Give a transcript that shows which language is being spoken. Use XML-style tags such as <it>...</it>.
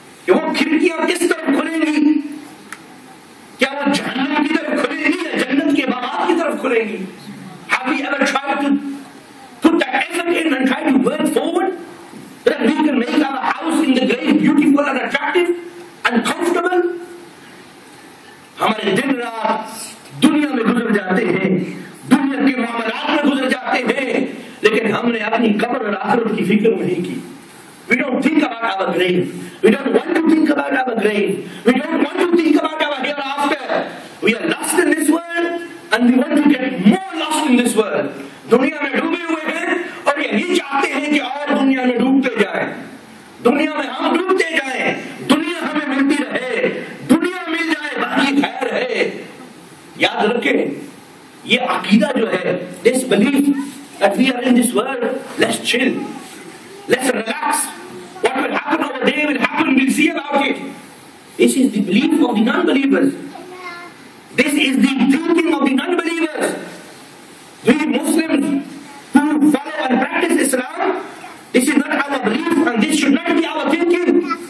<hi>ये वो खिड़कियां किस तरफ खुलेंगी? क्या वो जन्नत की तरफ खुलेंगी या जन्नत के बाबा की तरफ खुलेंगी?</hi> <en>Have we ever tried to put that effort in and try to work forward that we can make our house in the grave beautiful and attractive and comfortable?</en> <hi>हमारे दिन रात दुनिया में गुजर जाते हैं, दुनिया के मामलात में गुजर जाते हैं, लेकिन हमने अपनी कब्र और आखिरत की फिक्र नहीं की.</hi> <en>We don't think about our grave. We don't want to think about our grave. We don't want to think about our hereafter. We are lost in this world and we want to get more lost in this world.</en> <hi>दुनिया में डूबे हुए हैं और यही चाहते हैं कि और दुनिया में डूबते जाए. दुनिया में हम डूबते जाए, दुनिया हमें मिलती रहे, दुनिया मिल जाए बाकी खैर है. याद रखें, ये अकीदा जो है,</hi> <en>this belief that we are in this world, let's chill, let's relax. What will happen over there will happen, we'll see about it. This is the belief of the non-believers. This is the thinking of the non-believers. We Muslims who follow and practice Islam, this is not our belief and this should not be our thinking.</en>